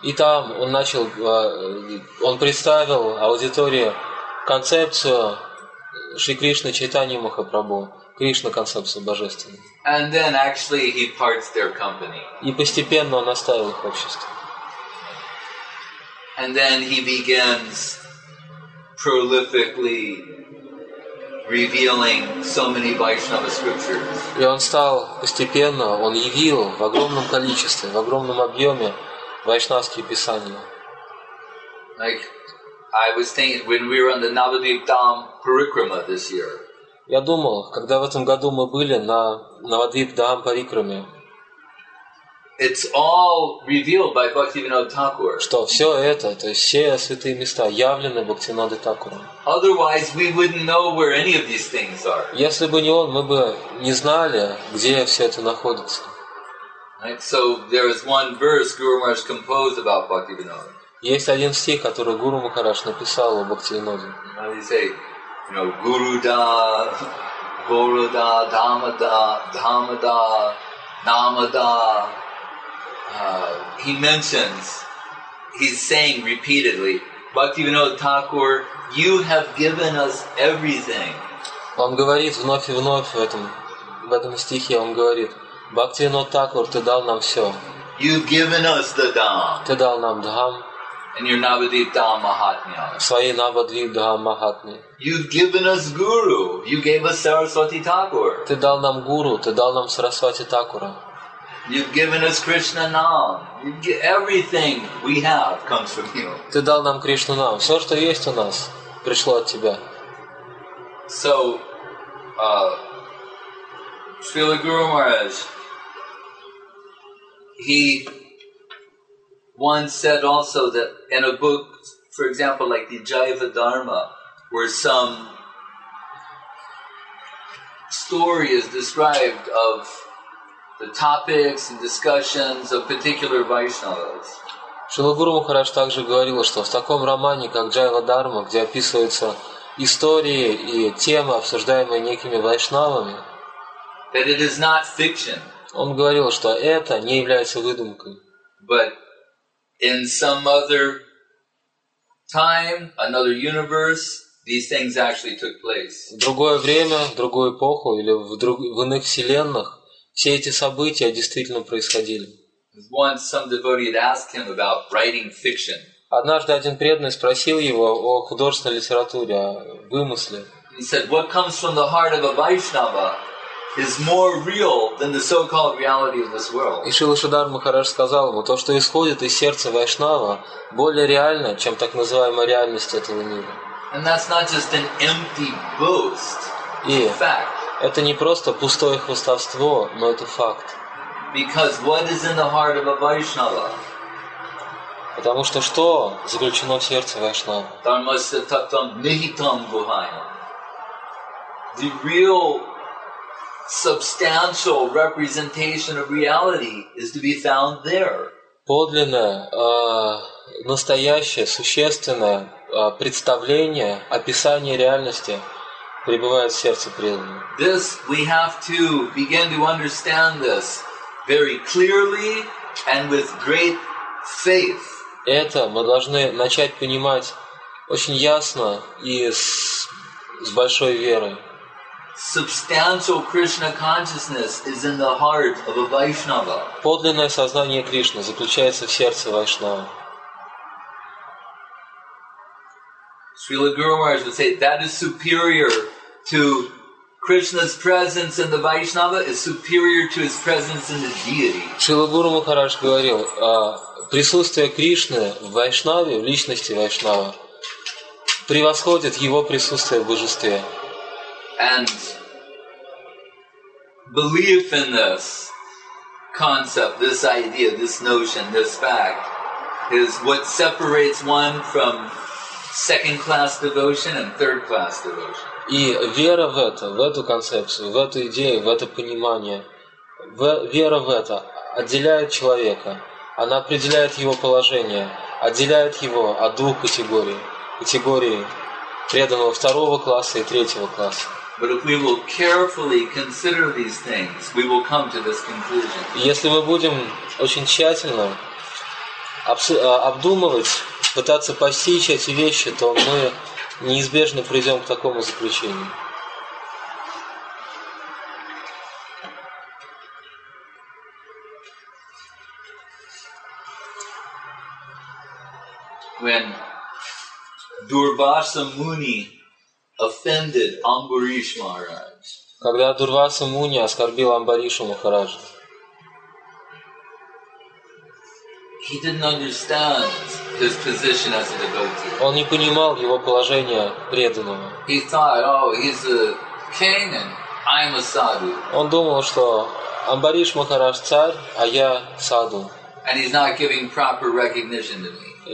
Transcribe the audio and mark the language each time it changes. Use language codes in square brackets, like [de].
[ru] И там он начал, он представил аудитории концепцию Шри Кришны Чайтаньи Махапрабху, Кришна концепцию божественной. [en] And then actually he parts their company. [ru] И постепенно он оставил их общество. [en] And then he begins prolifically revealing so many Vaishnava scriptures. [ru] И он стал постепенно, он явил в огромном количестве, в огромном объеме вайшнавские писания. [en] Like I was thinking when we were on the Navadvip Dham Parikrama this year. [ru] Я думал, когда в этом году мы были на Навадвип Дхам Парикраме, [en] it's all revealed by Bhaktivinoda Thakur. [ru] Что все это, то есть все святые места явлены Бхактивинодой Такуром. [en] Otherwise, we wouldn't know where any of these things are. [ru] Если бы не он, мы бы не знали, где все это находится. [en] Right? So there is one verse Guru Maharaj composed about Bhaktivinoda. [ru] Есть один стих, который Гуру Махарадж написал о Бхактивиноде. [en] You know, [sa] Guruda, Goruda, Dhamada, Dhamada, Namada. [en] He mentions, he's saying repeatedly, Bhaktivinoda Thakur, you have given us everything. [ru] Он говорит вновь и вновь в этом стихе, он говорит, Бхактивинода Такур, ты дал нам все. [en] You've given us the Dham. [ru] Ты дал нам Дхам. [en] And your Navadvip Dham Mahatmya. [ru] Свои Навадвип Дхам Махатми. [en] You've given us Guru. You gave us Saraswati Thakur. [ru] Ты дал нам Гуру. Ты дал нам Сарасвати Такура. [en] You've given us Krishna Nam. Everything we have comes from you. [ru] Ты дал нам Кришну Нам. Все, что есть у нас, пришло от тебя. [en] So, Srila Guru Maharaj, he once said also that in a book, for example, like the Jaiva Dharma, where some story is described of the topics and discussions of particular Vaishnavas. [ru] Шрила Гуру Махарадж также говорил, что в таком романе, как Джайва Дарма, где описываются истории и темы, обсуждаемые некими вайшнавами, [en] that it is not fiction. [ru] Он говорил, что это не является выдумкой. [en] But in some other time, another universe, These things actually took place. [ru] В другое время, в другую эпоху или в иных вселенных все эти события действительно происходили. [en] Once some devotee asked him about writing fiction. [ru] Однажды один преданный спросил его о художественной литературе, о вымысле. [en] He said, "What comes from the heart of a Vaishnava is more real than the so-called reality of this world." [ru] И Шрила Шридхар Махарадж сказал ему, то, что исходит из сердца Вайшнава, более реально, чем так называемая реальность этого мира. [en] And that's not just an empty boast. It's a fact. [ru] Это не просто пустое хвастовство, но это факт. [en] Because what is in the heart of a Vaishnava? [ru] Потому что что заключено в сердце Вайшнава? [sa] Dharmasya taktam nihitam guhayam. [en] The real substantial representation of reality is to be found there. [ru] Подлинное, настоящее, существенное представление, описание реальности пребывает в сердце преданного. [en] This we have to begin to understand this very clearly and with great faith. [ru] Это мы должны начать понимать очень ясно и с большой верой. [en] Substantial Krishna consciousness is in the heart of a Vaishnava. [ru] Подлинное сознание Кришны заключается в сердце Вайшнава. [en] Srila Guru Maharaj would say that is superior to Krishna's presence in the Vaishnava is superior to his presence in the deity. [ru] Srila Guru Maharaj говорил, присутствие Кришны в Вайшнаве, в личности Вайшнава, превосходит его присутствие в божестве. [en] And belief in this concept, this idea, this notion, this fact is what separates one from second-class devotion and third-class devotion. [ru] И вера в это, в эту концепцию, в эту идею, в это понимание, вера в это отделяет человека, она определяет его положение, отделяет его от двух категорий, категории преданного второго класса и третьего класса. [en] But if we will carefully consider these things, we will come to this conclusion. [ru] Если мы будем очень тщательно обдумывать, пытаться постичь эти вещи, то мы неизбежно придем к такому заключению. [en] When Durvasa Muni offended Ambarish Maharaj. [ru] Когда Дурваса Муни оскорбил Амбаришу Махараджа. [en] He didn't understand his position as a devotee. [ru] Он не понимал его положение преданного. [en] He thought, oh, he's a king and I'm a sadhu. [ru] Он думал, что Амбариш Махарадж царь, а я саду. [en] And he's not giving proper recognition to me.